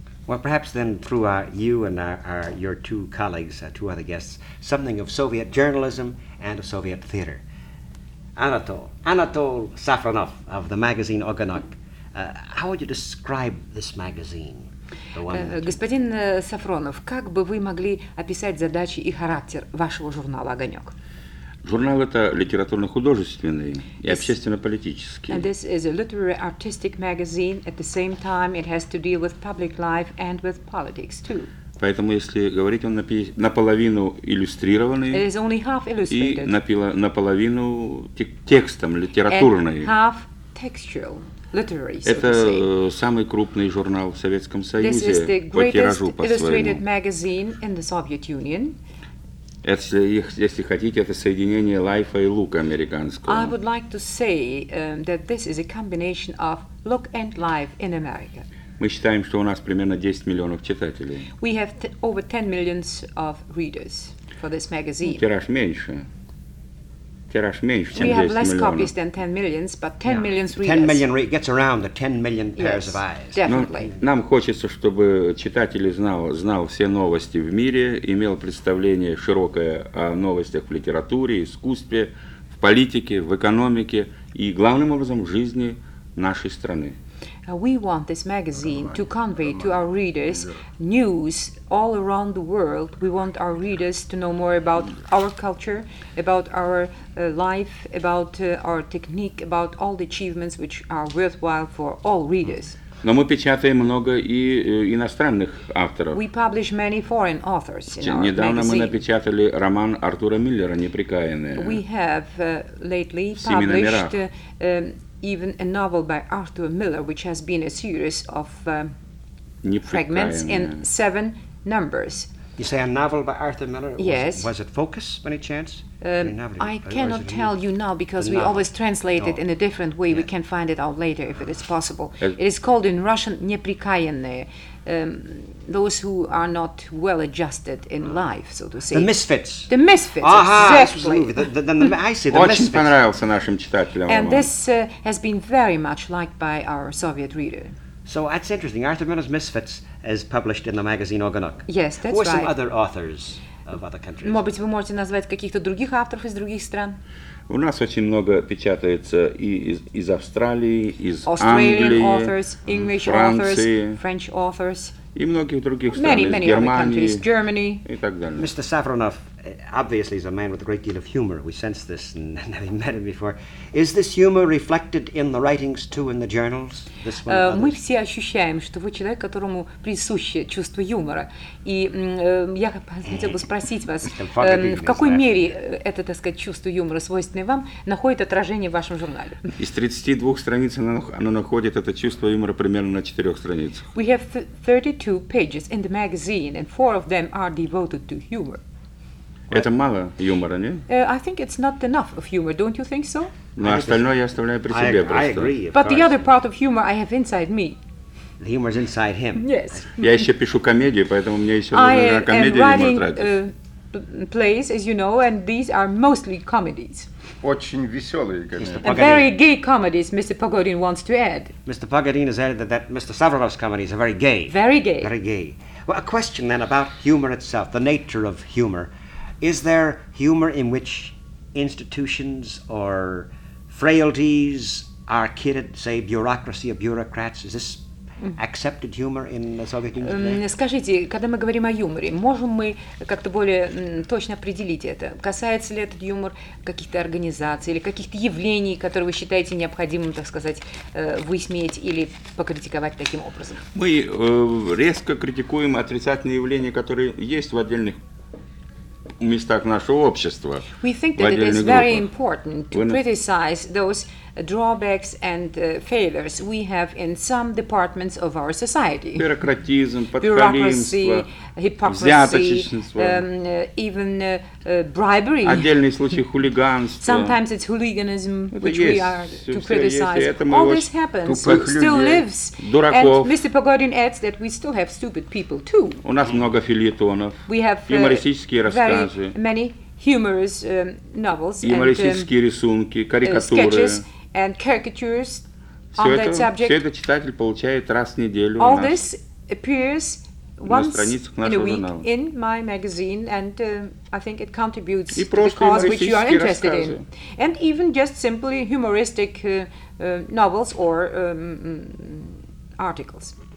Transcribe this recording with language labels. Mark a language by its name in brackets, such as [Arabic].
[English] Well, perhaps then through you and your two colleagues, two other guests, something of Soviet journalism and of Soviet theater. Anatol Safronov of the magazine Oganok, how would you describe this magazine? [Russian] Господин Сафронов, как бы вы могли описать задачи и характер вашего журнала «Огонек»? Журнал это литературно-художественный и общественно-политический. [English] And this is a literary artistic magazine. At the same time, it has to deal with public life and with politics too. [Russian] Поэтому, если говорить, он наполовину иллюстрированный. [English] It is only half illustrated. [Russian] И наполовину текстом литературный. [English] And half textual. Literary, so [Russian] это самый крупный журнал в Советском Союзе по тиражу, по своему. Если хотите, это соединение лайфа и лука американского. [English] I would like to say that this is a combination of look and life in America. [Russian] Мы считаем, что у нас примерно 10 миллионов читателей. [English] We have over 10 millions of readers for this magazine. [Russian] Тираж меньше. [English] We have less copies than 10 million, but 10 yeah. million readers. 10 million gets around the 10 million pairs yes, of eyes. Definitely. [Russian] Нам хочется, чтобы читатель знал все новости в мире, имел представление широкое о новостях в литературе, искусстве, в политике, в экономике и, главным образом, в жизни нашей страны. [English] We want this magazine to convey to our readers news all around the world. We want our readers to know more about our culture, about our life, about our technique, about all the achievements which are worthwhile for all readers. [Russian] Но мы печатаем много и иностранных авторов. [English] We publish many foreign authors in our magazine. [Russian] Недавно мы напечатали роман Артура Миллера «Непрекаянные». [English] We have lately published even a novel by Arthur Miller, which has been a series of fragments in seven numbers. You say a novel by Arthur Miller? Yes. Was it Focus, by any chance? I cannot tell you now because we always translate it in a different way. Yeah. We can find it out later if it is possible. It is called in Russian «Неприкаянные». Those who are not well adjusted in life, so to say. The misfits. The misfits, exactly. I see, the misfits. [Russian] Очень понравился нашим читателям. [English] And this has been very much liked by our Soviet reader. So that's interesting. Arthur Miller's Misfits is published in the magazine Oganok. Yes, that's right. Who are right. some other authors? of other countries? [Russian] Может быть, вы можете назвать каких-то других авторов из других стран? У нас очень много печатается и из Австралии, из Англии, [English] authors, English [Russian] Франции, [English] authors, French authors, [Russian] и многих других [English] many, [Russian] стран, [English] many [Russian] из Германии, [English] countries, Germany. [Russian] И так далее. [English] Mr. Safronov obviously is a man with a great deal of humor. We sense this and having met him before. Is this humor reflected in the writings too, in the journals? This one [Russian] мы все ощущаем, что вы человек, которому присуще чувство юмора. И я хотел бы спросить вас, в какой мере это, так сказать, чувство юмора, свойственное вам, находит отражение в вашем журнале? Из 32 страниц оно находит это чувство юмора примерно на 4 страницах. [English] We have 32 pages in the magazine, and 4 of them are devoted to humor. [Russian] Это мало юмора, не? [English] I think it's not enough of humor, don't you think so? [Russian] Но остальное я оставляю при себе просто. [English] I agree, but the other part of humor I have inside me. The humor is inside him. Yes. [Russian] Я еще пишу комедии, поэтому мне еще нужно на комедии юмор тратить. [English] I am writing plays, as you know, and these are mostly comedies. [Russian] Очень веселые комедии. [English] Very gay comedies, Mr. Pogodin wants to add. Mr. Pogodin has added that Mr. Savrov's comedies are very gay. Very gay. Very gay. Well, a question then about humor itself, the nature of humor. Is there humor in which institutions or frailties are kidded, say, bureaucracy or bureaucrats? Is this accepted humor in the Soviet Union today? [Russian] Скажите, когда мы говорим о юморе, можем мы как-то более точно определить это? Касается ли этот юмор каких-то организаций или каких-то явлений, которые вы считаете необходимым, так сказать, высмеять или покритиковать таким образом? Мы резко критикуем отрицательные явления, которые есть в отдельных местах нашего общества. [English] We think that it is very important to criticize those drawbacks and failures we have in some departments of our society. [Russian] Бюрократизм, подхалимство, взяточничество, [English] Bribery. [Russian] Отдельные случаи хулиганства. [English] Sometimes it's hooliganism [Russian] это [English] which we are to criticize. All this happens. [Russian] Тупых людей, [English] still lives. [Russian] Дураков. [English] And Mr. Pogodin adds that we still have stupid people too. [Russian] У нас много фильетонов. [English] We have [Russian] юмористические рассказы. [English] Very many humorous novels. [Russian] Юмористические рисунки, карикатуры. [English] And caricatures on that subject. [Russian] Все это читатель получает раз в неделю. [English] All this appears once in a week in my magazine, and I think it contributes to the cause which you are interested in. And even just simply humoristic novels or articles.